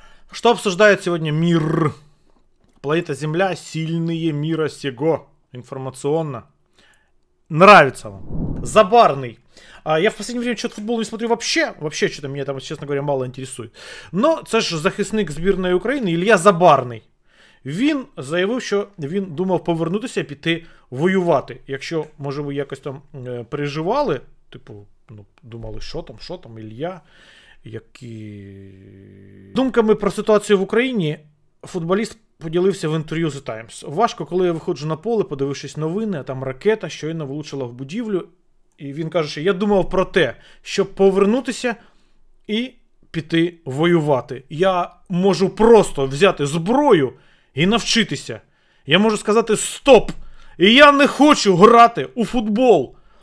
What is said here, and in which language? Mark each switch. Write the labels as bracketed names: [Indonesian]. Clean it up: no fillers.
[Russian] Что обсуждает сегодня мир? Планета Земля, сильные мира сего. Информационно. Нравится вам. Забарный. Я в последнее время что-то футбол не смотрю вообще. Вообще что-то меня там, честно говоря, мало интересует. [Ukrainian] Но це ж захисник збірної України Ілля Забарний. Він заявив, що він думав повернутися і піти воювати. Якщо, може, ви якось там переживали, типу, ну, думали, що там, Ілля, які... Думками про ситуацію в Україні футболіст поділився в інтерв'ю The Times. Важко, коли я виходжу на поле, подивившись новини, а там ракета щойно влучила в будівлю. І він каже, що я думав про те, щоб повернутися і піти воювати. Я можу просто взяти зброю і навчитися. Я можу сказати «Стоп! І я не хочу грати у футбол!»